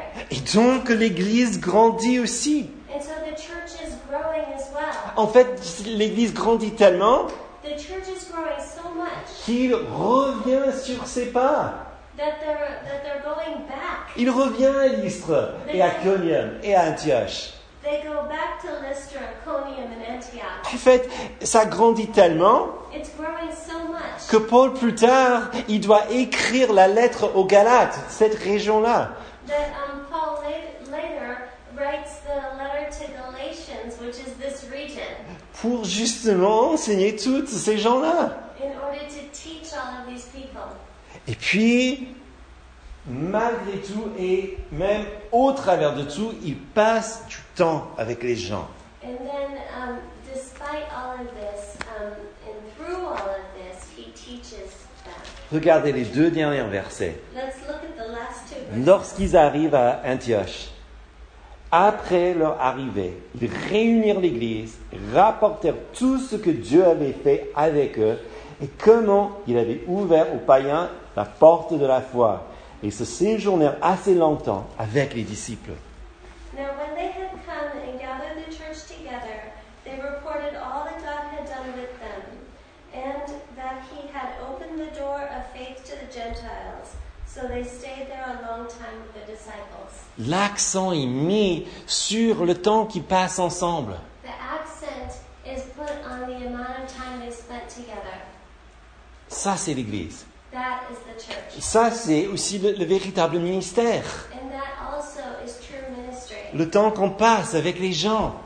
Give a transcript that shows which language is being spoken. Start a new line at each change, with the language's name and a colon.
French: Et donc, l'Église grandit aussi.
English: And so the church is growing as well.
French: En fait, l'Église grandit tellement
English: the church is growing so much
French: qu'il revient sur ses pas.
English: That they're going back.
French: Il revient à Lystre et à Iconium et à Antioche.
English: They go back to Lystra, Iconium and Antioch.
French: En fait, ça grandit tellement
English: it's growing so much
French: que Paul, plus tard, il doit écrire la lettre aux Galates, cette région-là.
English: That Paul later writes the letter to Galatians, which is this region.
French: Pour justement enseigner toutes ces gens-là.
English: In order to teach all of these people.
French: Et puis, malgré tout et même au travers de tout, il passe du temps avec les gens.
English: And then, despite all of this, and through all of this, he teaches them.
French: Regardez les deux derniers versets.
English: Let's look at the last two verses.
French: Lorsqu'ils arrivent à Antioche, Après leur arrivée, ils réunirent l'église, rapportèrent tout ce que Dieu avait fait avec eux et comment il avait ouvert aux païens la porte de la foi. Ils se séjournèrent assez longtemps avec les disciples.
English: Now when they had come and gathered the church together, they reported all that God had done with them and that he had opened the door of faith to the Gentiles. So they stayed there a long time with the disciples.
French: L'accent est mis sur le temps qu'ils passent ensemble.
English: The accent is put on the amount of time they spent together.
French: Ça, c'est l'Église.
English: That is the church.
French: Ça, c'est aussi le véritable ministère.
English: And that also is true ministry.
French: Le temps qu'on passe avec les gens.